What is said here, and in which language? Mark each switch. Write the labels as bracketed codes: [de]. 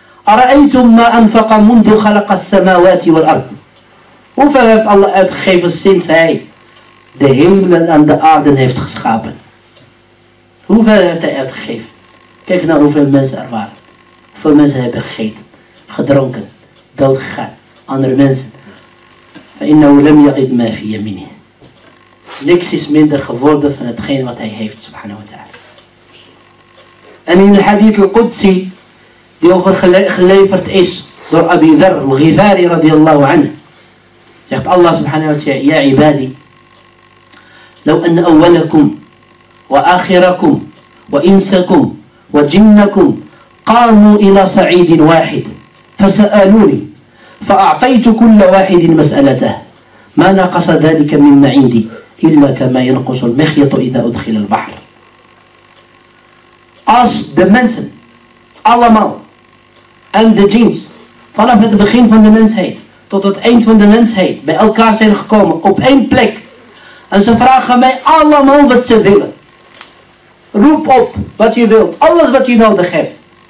[ar] أرأيتم ما أنفق منذ خلق السماوات والأرض [nl] هوفر heeft Allah uitgegeven sinds hij de hemelen en de aarde heeft geschapen hoeveel heeft hij uitgegeven kijk naar hoeveel mensen er waren hoeveel mensen hebben gegeten gedronken dood gegaan andere mensen [ar] فإنه لم يغد ما في يمينه [nl] niks is minder geworden van hetgeen wat hij heeft subhanahu wa ta'ala en in de hadith al-Qudsi die overgeleverd is door Abi Dharr al-Ghifari radiyallahu anhu. Zegt Allah subhanahu wa ta'ala, ya ibadi, [ar] لو أن أولكم وآخركم وإنسكم وجنكم قاموا إلى صعيد واحد فسألوني فأعطيت كل واحد مسألته ما نقص ذلك مما عندي إلا كما ينقص المخيط إذا أدخل البحر. [nl] Als de mensen allemaal en de jeans vanaf het begin van de mensheid tot het eind van de mensheid bij elkaar zijn gekomen op één plek en ze vragen mij allemaal wat ze willen, roep op wat je wilt, alles wat je nodig hebt.